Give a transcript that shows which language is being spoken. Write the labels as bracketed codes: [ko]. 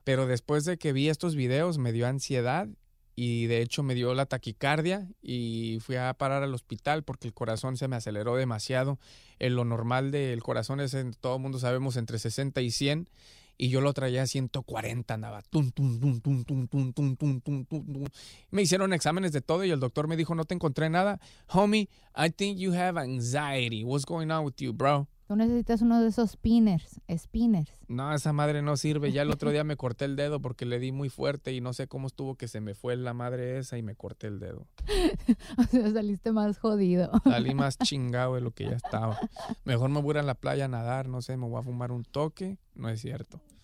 [es] Pero después de que vi estos videos me dio ansiedad. Y de hecho me dio la taquicardia y fui a parar al hospital porque el corazón se me aceleró demasiado. Lo normal del corazón es, todo mundo sabemos, entre 60 y 100. Y yo lo traía a 140, andaba. Tum, tum, tum, tum, tum, tum, tum, tum, tum, tum, tum. Me hicieron exámenes de todo y el doctor me dijo, no te encontré nada. [en] Homie, I think you have anxiety. What's going on with you, bro? [es] Tú necesitas uno de esos spinners. No, esa madre no sirve. Ya el otro día me corté el dedo porque le di muy fuerte y no sé cómo estuvo que se me fue la madre esa y me corté el dedo. O sea, saliste más jodido. Salí más chingado de lo que ya estaba. Mejor me voy a la playa a nadar, no sé, me voy a fumar un toque. No es cierto.